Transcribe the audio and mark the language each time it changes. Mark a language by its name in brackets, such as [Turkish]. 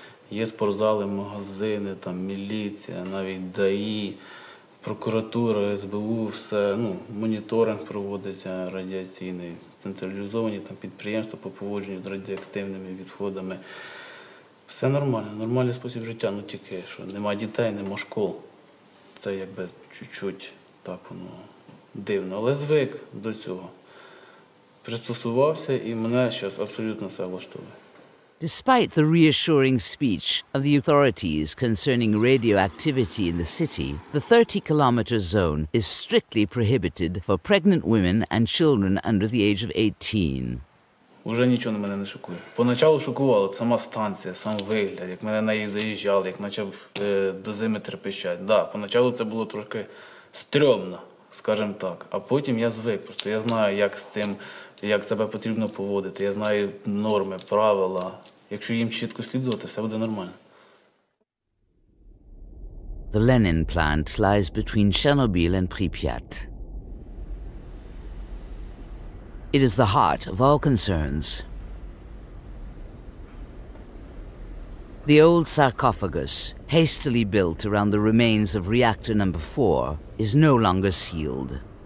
[English] Є спортзали, магазини, там, міліція, навіть ДАІ, прокуратура, СБУ, все, ну, моніторинг проводиться радіаційний, централізовані там підприємства по поводженню з радіоактивними відходами. Все нормально, нормальний спосіб життя, ну тільки що нема дітей, нема школ. Це якби чуть-чуть так воно дивно. Але звик до цього. Пристосувався і мене зараз абсолютно все влаштовує. Despite the reassuring speech of the authorities concerning radioactivity in the city, the 30-kilometer zone is strictly prohibited for pregnant women and children under the age of 18. [Ukrainian] Уже нічого на мене не шокує. Поначалу шокувало сама станція, сам вигляд, як мене на неї заїжджали, як почав дозиметр пищати. Да, поначалу це було трошки стрьомно, скажімо так. А потім я звик, просто я знаю, як з цим... Як тебе потрібно поводити, я знаю норми, правила. Якщо їм чітко слідувати, все буде нормально. [English] The Lenin plant lies between Chernobyl and Pripyat. It is the heart of all concerns. The old sarcophagus, hastily built around the remains of reactor number 4, is no longer sealed.